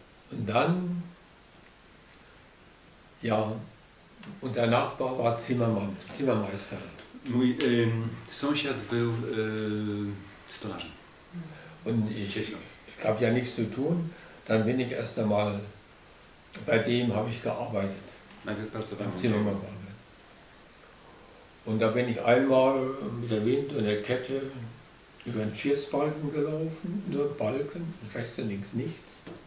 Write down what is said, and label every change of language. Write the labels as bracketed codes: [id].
[de] dann, ja, und der Nachbar war Zimmermann, Zimmermeister. [pl] Mój sąsiad był stolarzem. [de] Und ich habe ja nichts zu tun, dann bin ich erst einmal, bei dem habe ich gearbeitet. Beim Zimmermann gearbeitet. Und da bin ich einmal mit der Wind und der Kette über den Schiffsbalken gelaufen, nur Balken, rechts und links nichts.